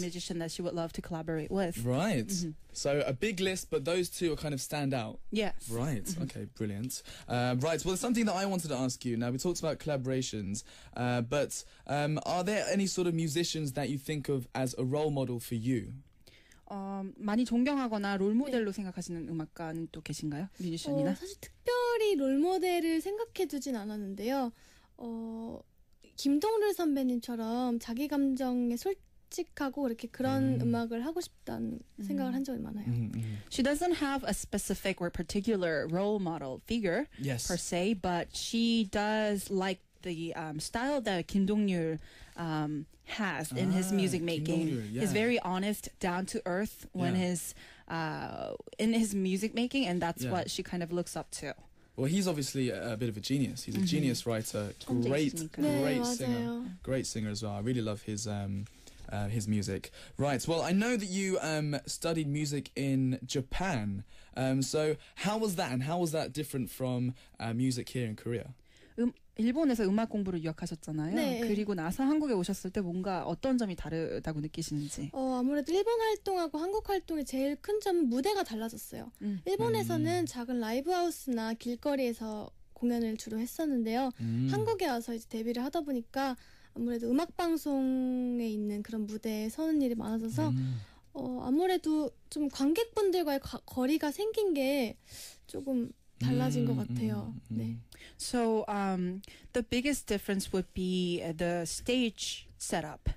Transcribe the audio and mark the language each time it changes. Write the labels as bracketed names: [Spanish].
[English] musician that she would love to collaborate with. Right. Mm-hmm. So a big list, but those two are kind of stand out. Yes. Right. Mm-hmm. Okay, brilliant. Right. Well, something that I wanted to ask you. Now, we talked about collaborations, but are there any sort of musicians that you think of as a role model for you? [Korean] 많이 존경하거나 롤모델로 네. 생각하시는 음악가는 또 계신가요? 뮤지션이나? 사실 특별히 롤모델을 생각해두진 않았는데요. 김동률 선배님처럼 자기 감정에 솔직하고 이렇게 그런 음악을 하고 싶다는 생각을 한 적이 많아요. [English] She doesn't have a specific or particular role model figure yes. per se, but she does like the style that 김동률 has in his music making. Kim Dong-ryu, he's very honest, down to earth when his in his music making, and that's what she kind of looks up to. Well, he's obviously a bit of a genius. He's a genius writer, great singer, great singer as well. I really love his music. Right. Well, I know that you studied music in Japan. So how was that, and how was that different from music here in Korea? [Korean] 일본에서 음악 공부를 유학하셨잖아요. 네. 그리고 나서 한국에 오셨을 때 뭔가 어떤 점이 다르다고 느끼시는지. 아무래도 일본 활동하고 한국 활동의 제일 큰 점은 무대가 달라졌어요. 일본에서는 작은 라이브 하우스나 길거리에서 공연을 주로 했었는데요. 한국에 와서 이제 데뷔를 하다 보니까 아무래도 음악 방송에 있는 그런 무대에 서는 일이 많아져서 아무래도 좀 관객분들과의 거리가 생긴 게 조금 달라진 것 같아요. 네. [English] So the biggest difference would be the stage setup.